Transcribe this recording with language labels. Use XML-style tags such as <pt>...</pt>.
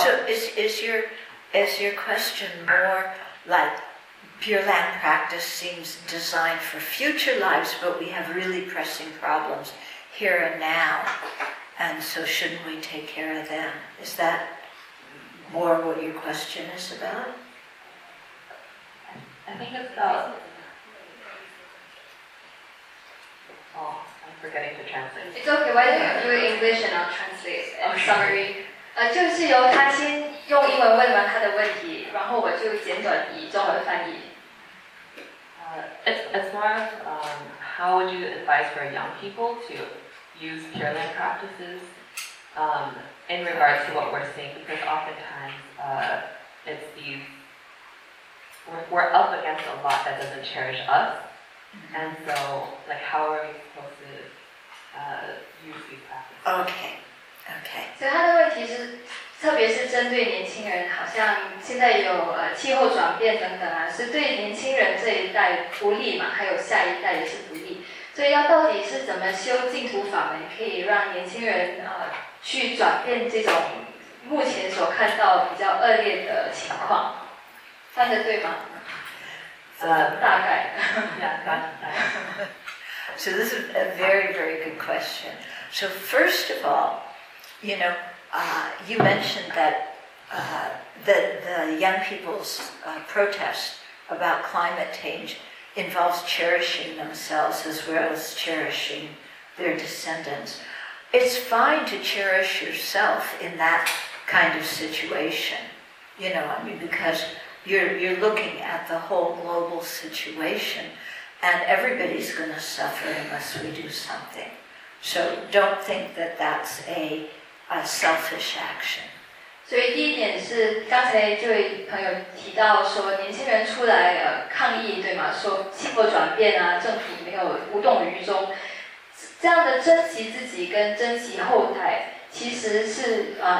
<en>So is your question more like Pure Land practice seems designed for future lives, but we have really pressing problems here and now, and so shouldn't we take care of them? Is that more what your question is about? I think it's about... I'm forgetting to translate. It's okay, why don't you do English and I'll translate. I'm sorry.</en> <zh>就是由他先用英文问完他的问题，然后我就简短以中文翻译。</zh> <en>It's more of how would you advise for young people to use Pure Land practices in regards to what we're seeing? Because oftentimes it's these we're up against a lot that doesn't cherish us, and so like how are we supposed to use these practices? Okay.</en> <zh>所以他的问题是，特别是针对年轻人，好像现在有气候转变等等啊，是对年轻人这一代不利嘛，还有下一代也是不利。所以要到底是怎么修净土法门，可以让年轻人去转变这种目前所看到比较恶劣的情况，翻得对吗？大概。</zh> <en>So this is a very very good question. So first of all. You know, you mentioned that the young people's protest about climate change involves cherishing themselves as well as cherishing their descendants. It's fine to cherish yourself in that kind of situation, you know, I mean, because you're looking at the whole global situation and everybody's going to suffer unless we do something. So don't think that that's a selfish action.</en> <zh>所以第一点是刚才这位朋友提到说年轻人出来抗议对吗，说气候转变啊，政府没有无动于衷，这样的珍惜自己跟珍惜后代其实是</zh>